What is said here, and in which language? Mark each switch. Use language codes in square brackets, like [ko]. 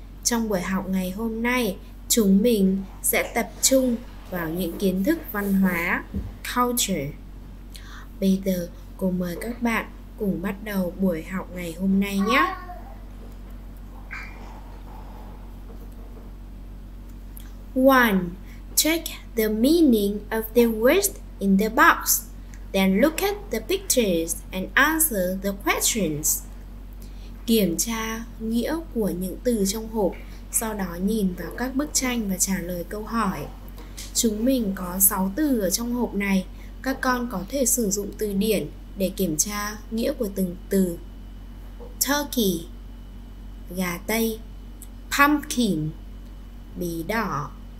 [vi] Trong buổi học ngày hôm nay, chúng mình sẽ tập trung vào những kiến thức văn hóa, culture. Bây giờ, cô mời các bạn cùng bắt đầu buổi học ngày hôm nay nhé. [en] One, check the meaning of the words in the box. Then look at the pictures and answer the questions. [vi] Kiểm tra nghĩa của những từ trong hộp, sau đó nhìn vào các bức tranh và trả lời câu hỏi. Chúng mình có 6 từ ở trong hộp này. Các con có thể sử dụng từ điển để kiểm tra nghĩa của từng từ. Turkey, gà Tây. Pumpkin, bí đỏ.